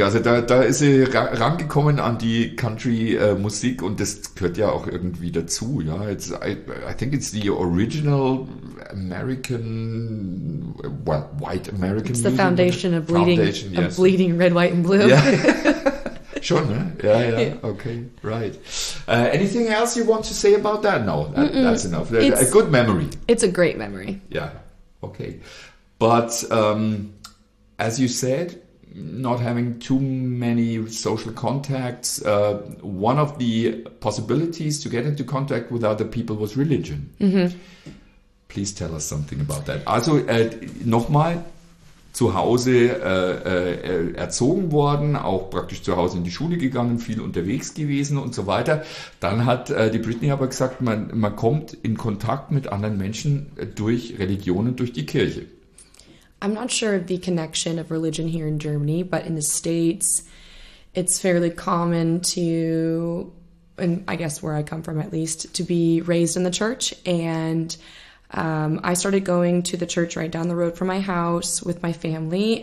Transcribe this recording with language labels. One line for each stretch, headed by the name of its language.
German: Also da ist sie rangekommen an die Country Musik, und das gehört ja auch irgendwie dazu.
English: Ja, I think it's the original American, white American music. It's the foundation of bleeding red, white and blue. Yeah.
German: Schon, ne?
English: Yeah. Okay, right. Anything else you want to say about that? No, that's enough. A good memory. It's a great memory. Yeah, okay. But as you said, not having too many social contacts, one of the possibilities to get into contact with other people was religion. Mm-hmm. Please tell us something about that.
German: Also, nochmal, zu Hause erzogen worden, auch praktisch zu Hause in die Schule gegangen, viel unterwegs gewesen und so weiter. Dann hat die Britney aber gesagt, man kommt in Kontakt mit anderen Menschen durch Religionen, durch die Kirche.
English: I'm not sure of the connection of religion here in Germany, but in the States, it's fairly common to, and I guess where I come from at least, to be raised in the church. And I started going to the church right down the road from my house with my family.